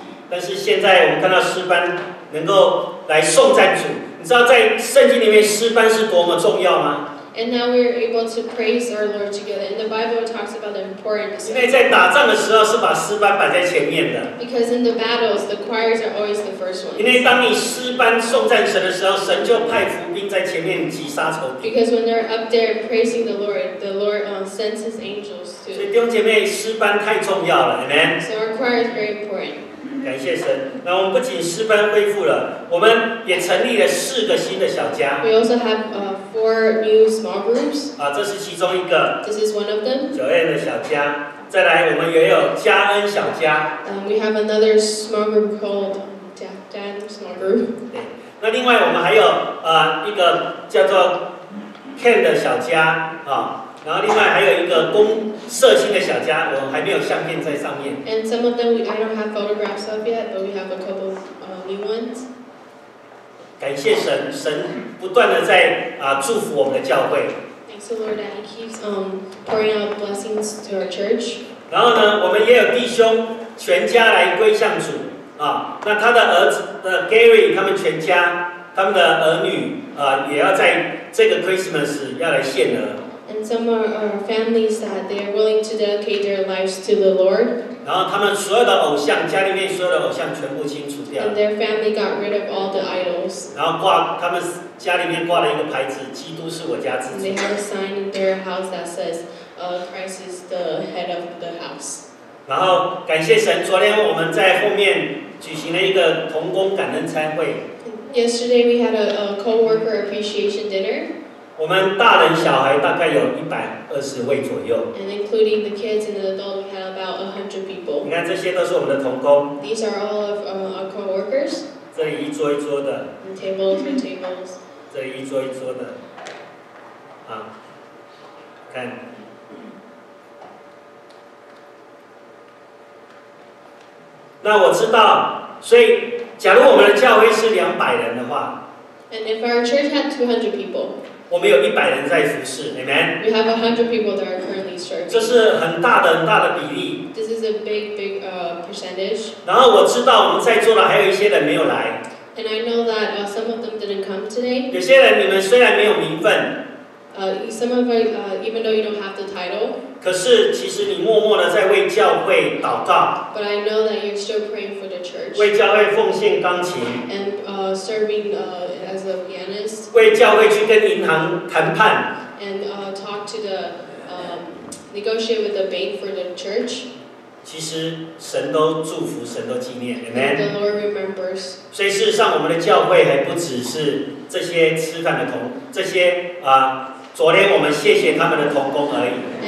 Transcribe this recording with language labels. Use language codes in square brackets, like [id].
[zh] 但是现在我们看到诗班能够来颂赞主，你知道在圣经里面诗班是多么重要吗 [en] And now we are able to praise our Lord together. And the Bible talks about the importance. [zh] 因为在打仗的时候是把诗班摆在前面的。 [en] Because in the battles, the choirs are always the first ones. [zh] 因为当你诗班颂赞神的时候，神就派伏兵在前面击杀仇敌。 [en] Because when they're up there praising the Lord sends his angels to. [zh] 所以弟兄姐妹，诗班太重要了 ，Amen. [en] So our choir is very important. [zh] 感谢神，那我们不仅诗班恢复了，我们也成立了四个新的小家。 [en] We also have four new small groups. [zh] 啊，这是其中一个。 [en] This is one of them. [zh] 九燕的小家，再来我们也有嘉恩小家。 [en] We have another small group called Dan Small Group. [zh] 对，那另外我们还有一个叫做 Ken 的小家啊。然后另外还有一个公社青的小家，我还没有相片在上面。 [en] And some of them we I don't have photographs of yet, but we have a couple of new ones. [zh] 感谢神，神不断的在祝福我们的教会。 [en] Thanks the Lord that He keeps pouring out blessings to our church. [zh] 然后呢，我们也有弟兄全家来归向主啊，那他的儿子的 Gary 他们全家他们的儿女也要在这个 Christmas 要来献额。 [en] And some are our families that they are willing to dedicate their lives to the Lord. [zh] 然后他们所有的偶像，家里面所有的偶像全部清除掉。 [en] And their family got rid of all the idols. [zh] 然后挂他们家里面挂了一个牌子，基督是我家之主。 [en] And they have a sign in their house that says, "Christ is the head of the house." [zh] 然后感谢神，昨天我们在后面举行了一个同工感恩餐会。 [en] Yesterday we had a co-worker appreciation dinner. [zh] 我们大人小孩大概有120位左右。 [en] And including the kids and the adults, we have about 100 people. [zh] 你看，这些都是我们的同工。 [en] These are all of our co-workers. [zh] 这里一桌一桌的。 [en] And tables and tables. [zh] 这里一桌一桌的。啊，看。那我知道，所以假如我们的教会是200人的话。 [en] And if our church had 200 people. [zh] 我们有100人在服事 ，Amen。 [en] We have 100 people that are currently serving. [zh] 这是很大的很大的比例。 [en] This is a big, big percentage. [zh] 然后我知道我们在座的还有一些人没有来。 [en] And I know that some of them didn't come today. [zh] 有些人你们虽然没有名分。 [en] Some of you, even though you don't have the title. [zh] 可是其实你默默的在为教会祷告。 [en] But I know that you're still praying for the church. [zh] 为教会奉献钢琴。 [en] And serving as a pianist. [zh] 为教会去跟银行谈判。 [en] And talk to the negotiate with the bank for the church. [zh] 其实神都祝福，神都纪念 ，Amen. [en] The Lord remembers. [zh] 所以事实上，我们的教会还不只是这些吃饭的同这些昨天我们谢谢他们的同工而已。